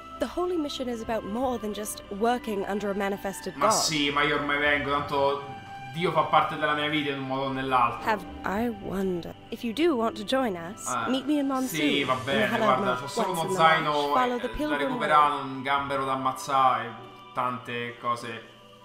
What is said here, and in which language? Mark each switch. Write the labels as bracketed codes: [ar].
[en] The holy mission is about more than just working under a manifested god. [it] Ma sì, ma io ormai vengo, tanto Dio fa parte della mia vita in un modo o nell'altro. [en] Have I wonder if you do want to join us? Meet me in Monsoon. [it] Sì, va bene, guarda, c'ho solo uno zaino da recuperare, un gambero da ammazzare, tante cose.